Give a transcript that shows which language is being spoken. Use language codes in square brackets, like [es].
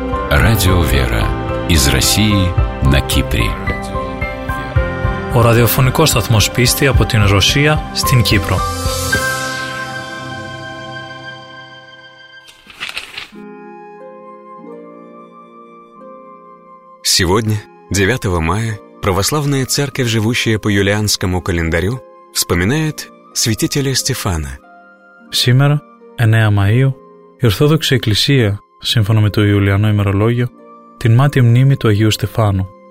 [ru] Радио «Вера» из России на Кипре. [el] Ο ραδιοφωνικός σταθμός πίστη από την Ρωσία στην Κύπρο. [ru] Сегодня, 9 мая, Православная Церковь, живущая по юлианскому календарю, вспоминает святителя Стефана. Сегодня, 9 мая, [el] η Ορθόδοξη Εκκλησία, σύμφωνα με το Ιουλιανό ημερολόγιο, την μάτι μνήμη του Αγίου Στεφάνου.